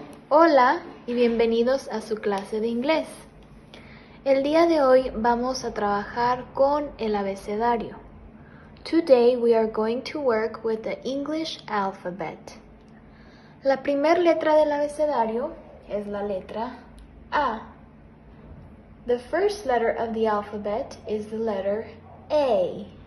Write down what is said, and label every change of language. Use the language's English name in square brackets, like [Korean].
[Spanish] Hola, y bienvenidos a su clase de inglés. El día de hoy vamos a trabajar con el abecedario. [English] Today we are going to work with the English alphabet. [Spanish] La primera letra del abecedario es la letra A. [English] The first letter of the alphabet is the letter A.